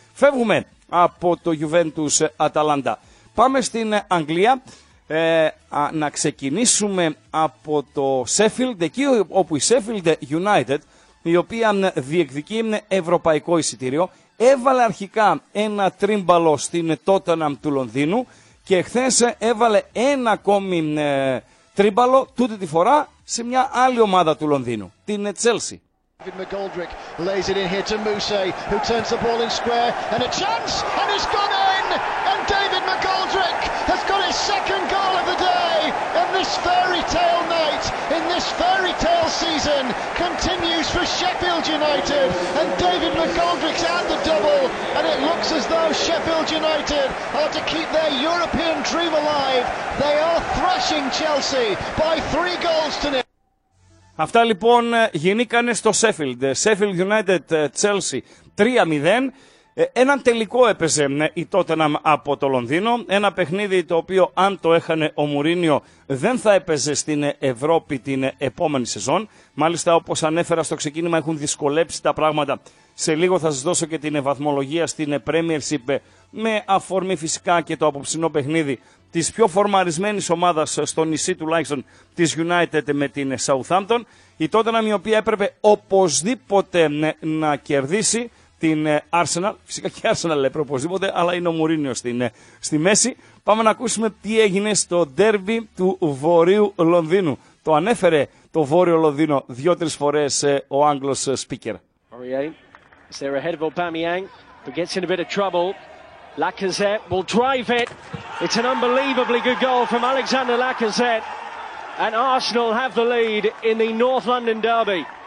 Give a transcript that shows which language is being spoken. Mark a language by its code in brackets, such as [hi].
[el] Φεύγουμε από το Juventus Atalanta. Πάμε στην Αγγλία, να ξεκινήσουμε από το Sheffield, εκεί όπου η Sheffield United, η οποία διεκδικεί ευρωπαϊκό εισιτήριο, έβαλε αρχικά ένα τρίμπαλο στην Tottenham του Λονδίνου και χθες έβαλε ένα ακόμη τρίμπαλο, τούτη τη φορά, σε μια άλλη ομάδα του Λονδίνου, την Chelsea. [en] David McGoldrick lays it in here to Moussa, who turns the ball in square, and a chance, and it's gone in! And David McGoldrick has got his second goal of the day, and this fairy tale night, in this fairy tale season, continues for Sheffield United, and David McGoldrick's had the double, and it looks as though Sheffield United are to keep their European dream alive. They are thrashing Chelsea by 3-0. [el] Αυτά λοιπόν γινήκανε στο Sheffield. Sheffield United, Chelsea 3-0. Έναν τελικό έπαιζε η Tottenham από το Λονδίνο. Ένα παιχνίδι το οποίο αν το έχανε ο Μουρίνιο δεν θα έπαιζε στην Ευρώπη την επόμενη σεζόν. Μάλιστα όπως ανέφερα στο ξεκίνημα έχουν δυσκολέψει τα πράγματα. Σε λίγο θα σας δώσω και την βαθμολογία στην Premiership με αφορμή φυσικά και το απόψινό παιχνίδι της πιο φορμαρισμένης ομάδας στο νησί τουλάχιστον της United με την Southampton. Η Tottenham η οποία έπρεπε οπωσδήποτε να κερδίσει την Arsenal, φυσικά και η Arsenal έπρεπε οπωσδήποτε, αλλά είναι ο Μουρίνιο στη μέση. Πάμε να ακούσουμε τι έγινε στο ντέρμπι του Βορείου Λονδίνου. Το ανέφερε το Βόρειο Λονδίνο 2-3 φορές ο Άγγλος speaker. [en] Is there ahead of Aubameyang, but gets in a bit of trouble. Lacazette will drive it. It's an unbelievably good goal from Alexander Lacazette. And Arsenal have the lead in the North London derby.